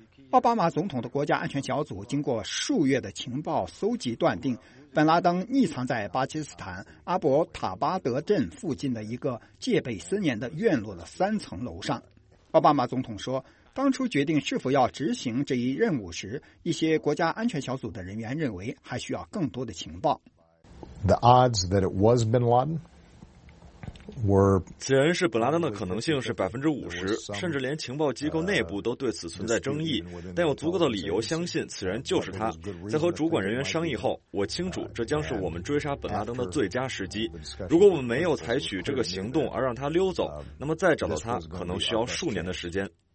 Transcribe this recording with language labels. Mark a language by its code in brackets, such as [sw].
[zh] 奥巴马总统的国家安全小组经过数月的情报搜集断定，本拉登匿藏在巴基斯坦阿伯塔巴德镇附近的一个戒备森严的院落的3层楼上。奥巴马总统说，当初决定是否要执行这一任务时，一些国家安全小组的人员认为还需要更多的情报。 [en] The odds that it was bin Laden were. [zh] 此人是本拉登的可能性是50%，甚至连情报机构内部都对此存在争议，但有足够的理由相信此人就是他。在和主管人员商议后，我清楚这将是我们追杀本拉登的最佳时机。如果我们没有采取这个行动而让他溜走，那么再找到他可能需要数年的时间。